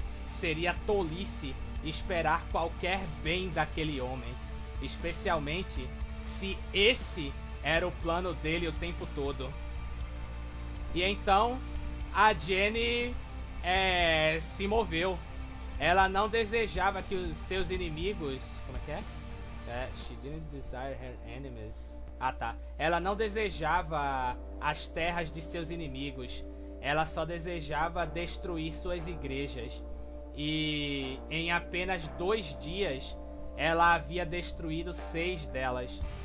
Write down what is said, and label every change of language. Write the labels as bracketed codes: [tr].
[pt] Seria tolice esperar qualquer bem daquele homem. Especialmente se esse era o plano dele o tempo todo. E então, a Jenny se moveu. Ela não desejava que os seus inimigos... Como é que é? [en] She didn't desire her enemies. [pt] Ah, tá. Ela não desejava as terras de seus inimigos. Ela só desejava destruir suas igrejas. E em apenas 2 dias, ela havia destruído 6 delas.